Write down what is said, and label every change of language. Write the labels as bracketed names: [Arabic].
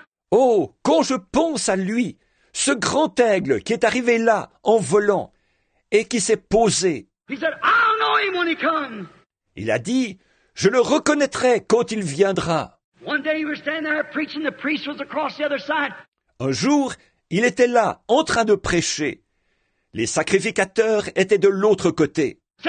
[French] Oh, quand je pense à lui, ce grand aigle qui est arrivé là en volant et qui s'est posé. [English] He said, I'll know him when he comes. [French] Il a dit, je le reconnaîtrai quand il viendra. [English] One day he was standing there preaching, the priest was across the other side. [French] Un jour, il était là en train de prêcher. Les sacrificateurs étaient de l'autre côté.